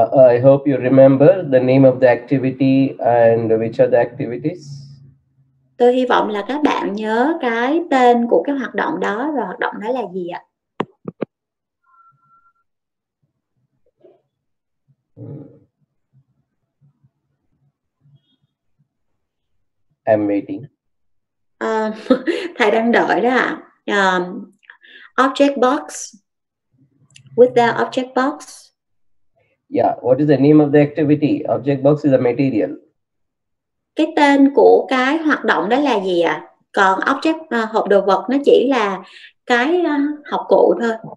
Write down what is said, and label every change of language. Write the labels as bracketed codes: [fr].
[en] I hope you remember the name of the activity and which are the activities. [vi] Tôi hy vọng là các bạn nhớ cái tên của cái hoạt động đó và hoạt động đó là gì ạ? [en] I'm waiting. [vi] Thầy đang đợi đó ạ. [en] Object box. With the object box. Yeah, what is the name of the activity? Object box is a material. [vi] Cái tên của cái hoạt động đó là gì ạ? Còn object hộp đồ vật nó chỉ là cái học cụ thôi.